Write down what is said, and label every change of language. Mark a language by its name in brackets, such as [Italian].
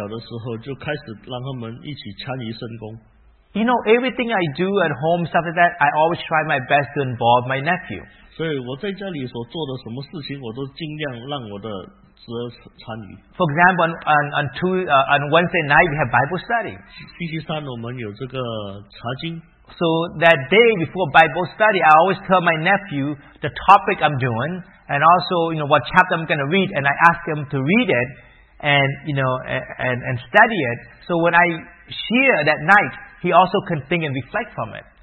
[Chinese] 所以我们应该从小孩子还小的时候就开始让他们一起参与圣工。 [English] You know, everything I do at home, stuff like that, I always try my best to involve my nephew. [Chinese] 所以我在家里所做的什么事情，我都尽量让我的侄儿参与。 [English] For example, on Wednesday night, we have Bible study. [Chinese] 星期三我们有这个查经。 [English] So that day before Bible study, I always tell my nephew the topic I'm doing, and also, you know, what chapter I'm going to read, and I ask him to read it, and, you know, and study it. So when I share that night, he also can think and reflect from it.